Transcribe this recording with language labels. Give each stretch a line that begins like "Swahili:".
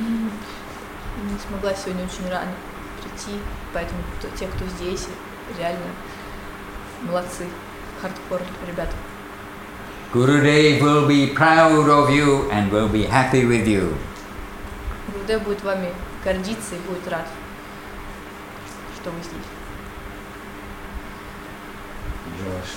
Russian: Mm-hmm. Не смогла сегодня очень рано прийти, поэтому те, кто здесь, реально молодцы, хардкор ребята.
English: Gurudev will be proud of you and will be happy with you.
Russian: Gurudev будет вами гордиться и будет рад, что вы здесь.